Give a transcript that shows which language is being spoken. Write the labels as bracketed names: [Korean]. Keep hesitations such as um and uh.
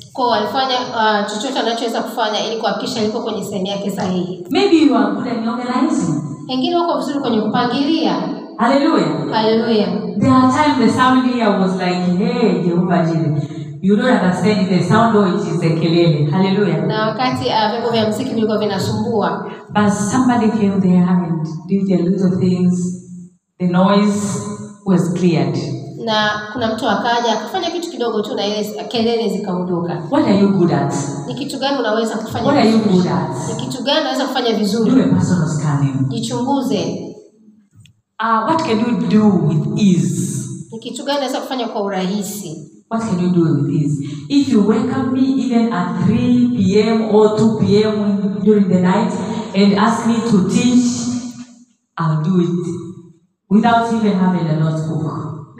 [Swahili] kwa alifanya uh, chochote anachoweza kufanya ili kuhakikisha yuko kwenye sehemu yake sahihi. [English] Maybe you are good at organizing. [Swahili] Pengine uko vizuri kwenye kupangilia. [English] Hallelujah. Hallelujah. There are times the sound here was like, hey, Jehovah Jireh. You don't understand the sound or it is the kelele. Hallelujah. [Swahili] Na wakati uh, vyombo vya muziki vilikuwa vinasumbua. [English] But somebody came there and did a little things. The noise was cleared [Swahili] na kuna mtu akaja akafanya kitu kidogo tu na ile kelele zikaondoka. [English] What are you good at? [Swahili] Ni kitu gani unaweza kufanya? [English] What vizuri. are you good at? [Swahili] Ni kitu gani unaweza kufanya vizuri? [English] Do a personal scanning. [Swahili] Jichunguze. [English] Uh, what can you do with ease? [Swahili] Ni kitu gani unaweza kufanya kwa urahisi? [English] What can you do with ease? If you wake up me even at 3 p.m. or 2 p.m. during the night and ask me to teach, I'll do it without even having a notebook.